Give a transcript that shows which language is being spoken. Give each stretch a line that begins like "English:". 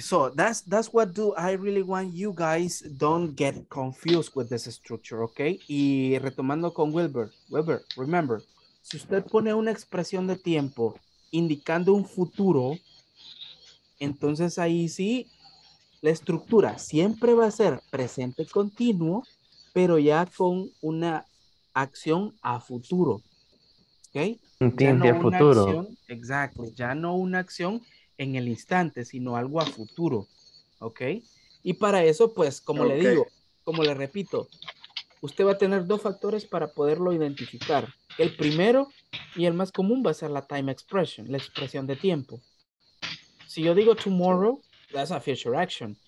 English: So that's what do I really want you guys don't get confused with this structure, okay?
Spanish: Y retomando con Wilbur, remember, si usted pone una expresión de tiempo indicando un futuro, entonces ahí sí, la estructura siempre va a ser presente continuo, pero ya con una acción a futuro. ¿Ok? Entiende, no futuro. Acción, exacto, ya no una acción en el instante, sino algo a futuro. ¿Ok? Y para eso, pues, como le digo, como le repito, usted va a tener dos factores para poderlo identificar. El primero y el más común va a ser la time expression, la expresión de tiempo. Si yo digo
English: tomorrow, that's a future action.